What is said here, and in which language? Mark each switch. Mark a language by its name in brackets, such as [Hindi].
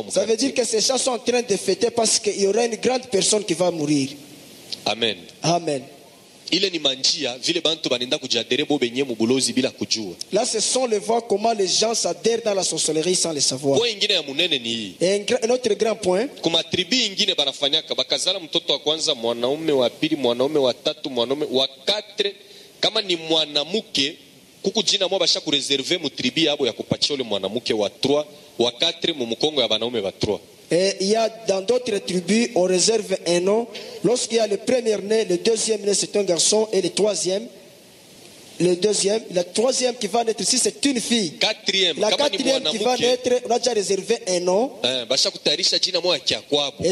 [French] mkubwa. Ça veut dire que ces chats sont en train de fêter parce qu'il y aura une grande personne qui va mourir. Amen. Amen. [Swahili] Ile ni manjia vile bantu banenda kujadere bo benye mubulozi bila kujua. [French] Là ce sont les voies comment les gens s'adhèrent dans la sorcellerie sans le savoir. [Swahili] Point ingine ya munene ni hii. [French] Un autre grand point. [Swahili] Kuma tribu ingine banafanyaka bakazala mtoto wa kwanza mwanaume wa pili mwanaume wa tatu mwanaume wa quatre kama ni mwanamke kuku jina mwa basha ku réserver mu tribu yabo ya kupatia ule mwanamke wa 3 wa 4 mu mkongo ya banaume wa 3. [French] Il y a dans d'autres tribus, on réserve un nom. Lorsqu'il y a le premier né, le deuxième né, c'est un garçon. Et le deuxième, la troisième qui va naître ici, c'est une fille. Quatrième. La quatrième qui va naître, on a déjà réservé un nom. Et